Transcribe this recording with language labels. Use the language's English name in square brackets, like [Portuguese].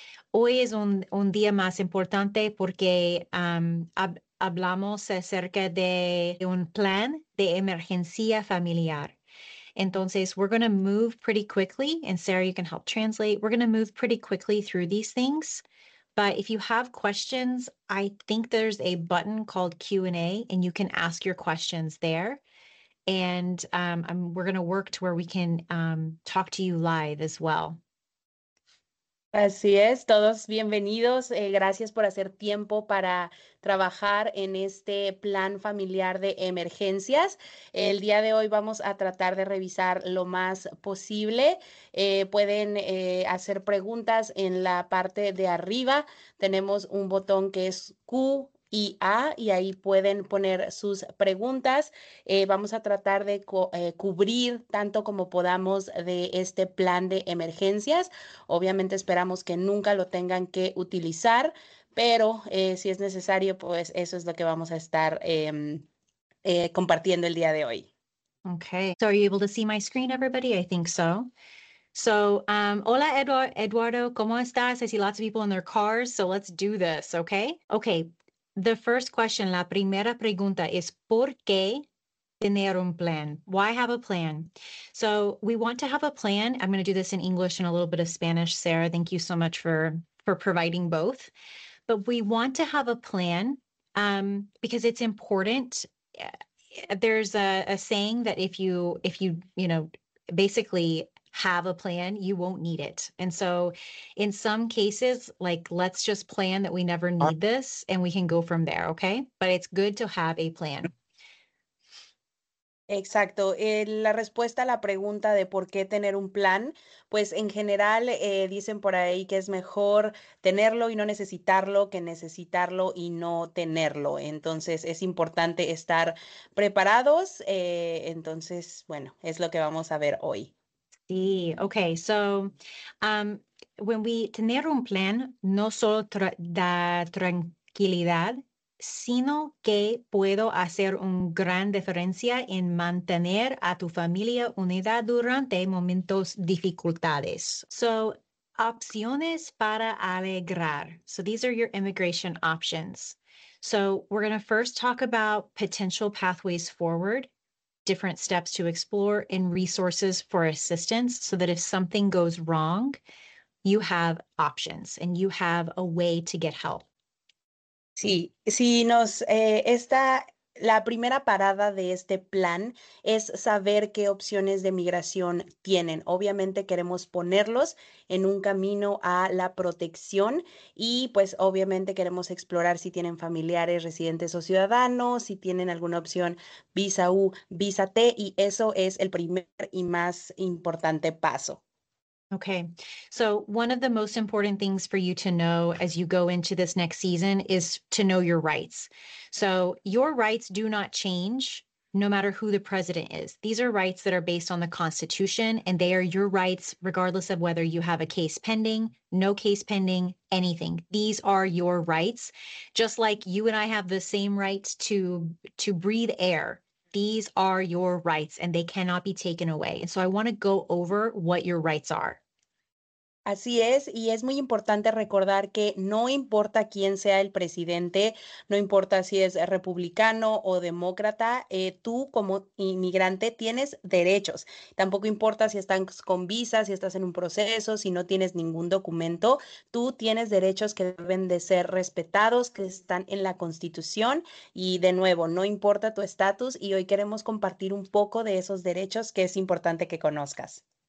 [Spanish] Hoy es un día más importante porque hablamos acerca de un plan de emergencia familiar. Entonces, [English] we're going to move pretty quickly, and Sarah, you can help translate. We're going to move pretty quickly through these things. But if you have questions, I think there's a button called Q&A, and you can ask your questions there. And we're going to work to where we can talk to you live as well. [Spanish] Así es. Todos bienvenidos. Gracias por hacer tiempo para trabajar en este plan familiar de emergencias. El día de hoy vamos a tratar de revisar lo más posible. Pueden hacer preguntas en la parte de arriba. Tenemos un botón que es Q y A, y ahí pueden poner sus preguntas. Vamos a tratar de cubrir tanto como podamos de este plan de emergencias. Obviamente esperamos que nunca lo tengan que utilizar, pero si es necesario, pues eso es lo que vamos a estar compartiendo el día de hoy. [English] Okay. So are you able to see my screen, everybody? I think so. So, [Spanish] hola Eduardo, ¿cómo estás? [English] I see lots of people in their cars, so let's do this, okay? Okay. The first question, [Spanish] la primera pregunta [English] is, [Spanish] ¿por qué tener un plan? [English] Why have a plan? So we want to have a plan. I'm going to do this in English and a little bit of Spanish. Sarah, thank you so much for providing both. But we want to have a plan because it's important. There's a saying that if you basically have a plan, you won't need it. And so in some cases, like, let's just plan that we never need this and we can go from there. Okay. But it's good to have a plan. [Spanish] Exacto. La respuesta a la pregunta de por qué tener un plan, pues en general dicen por ahí que es mejor tenerlo y no necesitarlo que necesitarlo y no tenerlo. Entonces es importante estar preparados. Entonces, bueno, es lo que vamos a ver hoy. Sí, okay. [English] So, when we [Spanish] tener un plan, no solo da tranquilidad, sino que puedo hacer un gran diferencia en mantener a tu familia unida durante momentos dificultades. [English] So, [Spanish] opciones para alegrar. [English] So, these are your immigration options. So, we're going to first talk about potential pathways forward, different steps to explore, and resources for assistance so that if something goes wrong, you have options and you have a way to get help. [Spanish] Sí, sí, nos está la primera parada de este plan es saber qué opciones de migración tienen. Obviamente queremos ponerlos en un camino a la protección y pues obviamente queremos explorar si tienen familiares, residentes o ciudadanos, si tienen alguna opción visa U, visa T, y eso es el primer y más importante paso. [English] Okay, so one of the most important things for you to know as you go into this next season is to know your rights. So your rights do not change no matter who the president is. These are rights that are based on the Constitution, and they are your rights regardless of whether you have a case pending, no case pending, anything. These are your rights, just like you and I have the same rights to breathe air. These are your rights and they cannot be taken away. And so I want to go over what your rights are. [Spanish] Así es, y es muy importante recordar que no importa quién sea el presidente, no importa si es republicano o demócrata, tú como inmigrante tienes derechos. Tampoco importa si estás con visa, si estás en un proceso, si no tienes ningún documento, tú tienes derechos que deben de ser respetados, que están en la Constitución, y de nuevo, no importa tu estatus, y hoy queremos compartir un poco de esos derechos que es importante que conozcas.